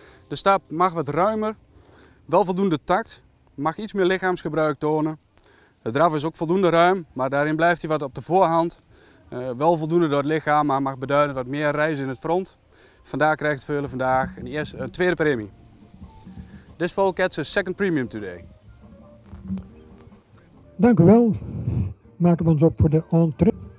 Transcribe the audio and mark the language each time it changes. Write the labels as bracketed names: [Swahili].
[Dutch] De stap mag wat ruimer, wel voldoende takt, mag iets meer lichaamsgebruik tonen. De draf is ook voldoende ruim, maar daarin blijft hij wat op de voorhand. Wel voldoende door het lichaam, maar mag beduiden wat meer reizen in het front. Vandaar krijgt Veulen vandaag een tweede premie. [English] This foal gets a second premium today. [Dutch] Dank u wel. Maken we ons op voor de entree.